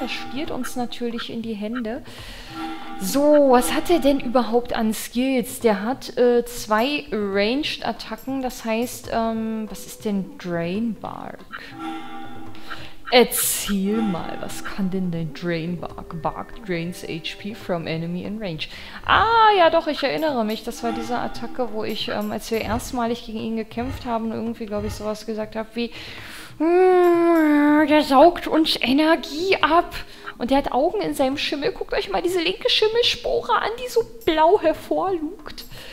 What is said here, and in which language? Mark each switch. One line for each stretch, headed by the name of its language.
German: Das spielt uns natürlich in die Hände. So, was hat er denn überhaupt an Skills? Der hat zwei Ranged Attacken, das heißt, was ist denn Drainbark? Erzähl mal, was kann denn der Drainbark?
English: Bark drains HP from enemy in range.
German: Ah, ja doch, ich erinnere mich, das war diese Attacke, wo ich, als wir erstmalig gegen ihn gekämpft haben, irgendwie, glaube ich, sowas gesagt habe wie, der saugt uns Energie ab. Und der hat Augen in seinem Schimmel. Guckt euch mal diese linke Schimmelspore an, die so blau hervorlugt.